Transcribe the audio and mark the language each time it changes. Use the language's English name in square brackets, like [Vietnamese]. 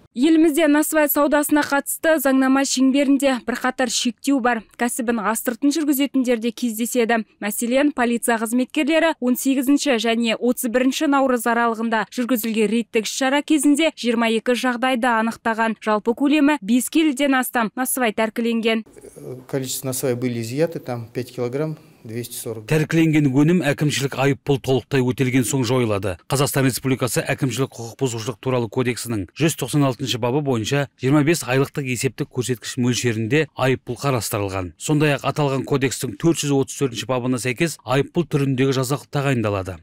[Kazakh] Елімізде насыбай саудасына қатысты заңнама шеңберінде бірқатар шектеу бар. Кәсібін астыртын жүргізетіндерде кездеседі. Мәселен, полиция қызметкерлері 18 және 31 наурыз аралығында жүргізілген рейдтік іс-шара кезінде 22 жағдайды анықтаған. Жалпы көлемі 5 келіден астам насыбай тәркіленген. [Russian] Количество насыбай были изъяты, там 5 килограмм [Kazakh] Тәркіленген өнім әкімшілік айыппұл толықтай өтелген соң жойылады. Қазақстан Республикасы әкімшілік құқық бұзушылық туралы кодексінің 196-шы бабы бойынша 25 айлықтық есептік көрсеткіш мөлшерінде айыппұл қарастырылған. Сондай ақ аталған кодекстің 434-шы бабына сәйкес айыппұл түріндегі жаза тағайындалады.